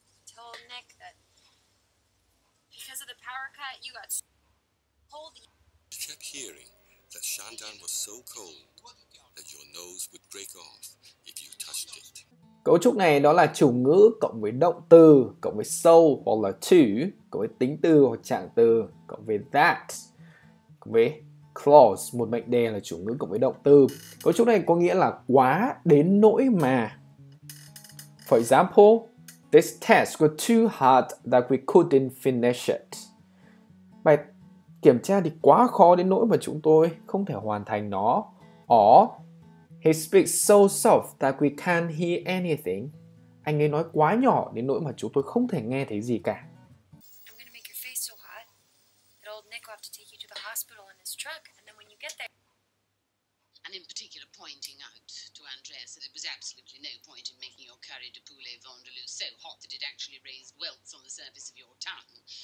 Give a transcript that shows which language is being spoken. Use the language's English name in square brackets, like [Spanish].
[English] Told Nick that because of the power cut, you got cold. I kept hearing that Shandan was so cold that your nose would break off if you touched it. [Vietnamese] Cấu trúc này đó là chủ ngữ cộng với động từ cộng với so hoặc là to cộng với tính từ hoặc trạng từ cộng với that cộng với clause, một mệnh đề là chủ ngữ cộng với động từ. Cấu trúc này có nghĩa là quá đến nỗi mà. [English] For example, this test was too hard that we couldn't finish it. [Vietnamese] Bài kiểm tra thì quá khó đến nỗi mà chúng tôi không thể hoàn thành nó. [English] Or, he speaks so soft that we can't hear anything. [Vietnamese] Anh ấy nói quá nhỏ đến nỗi mà chúng tôi không thể nghe thấy gì cả. [English] I'm going to make your face so hot that old Nick will have to take you to the hospital in his truck, and then when you get there... And in particular pointing out to Andreas that there was absolutely no point in making your curry de poulet vindaloo so hot that it actually raised welts on the surface of your tongue.